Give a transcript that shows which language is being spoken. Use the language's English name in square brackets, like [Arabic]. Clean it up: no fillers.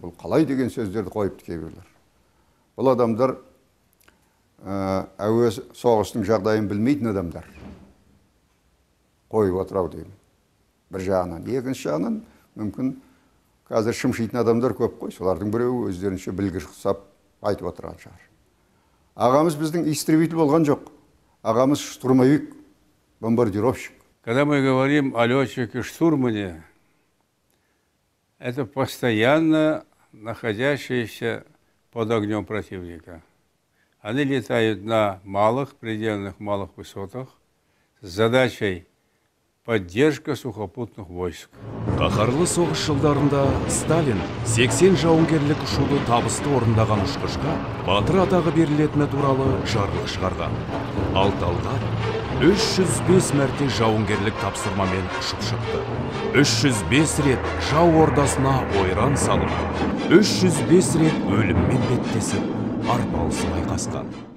[Kazakh] Бұл қалай деген сөздерді қойыпты кейбірлер. Бұл адамдар әуе соғыстың жағдайын білмейтін адамдар. Қойып отырау деймін. Бір жағынан, екінші жағынан мүмкін қазір шымшитын адамдар көп қой, солардың біреуі өздерінше білгіш құсап айтып отырған шығар. Ағамыз біздің истребитель болған жоқ. Ағамыз штурмовик, бомбардировщик. [Russian] Когда мы говорим о лётчике штурмане, это постоянно находящиеся под огнем противника. Они летают на малых, предельных малых высотах с задачей поддержка сухопутных войск. [Kazakh] Қаһарлы соғыс жылдарында Сталин 80 жауынгерлік ұшуды табысты орындаған ұшқышқа батыр атағы берілетіні туралы жарлық шығарған. Ал Талғат 305 мәрте жауынгерлік тапсырмамен ұшып шықты. 305 рет жау ордасына ойран салып, 305 рет өліммен беттесіп, арпалысып айқасқан.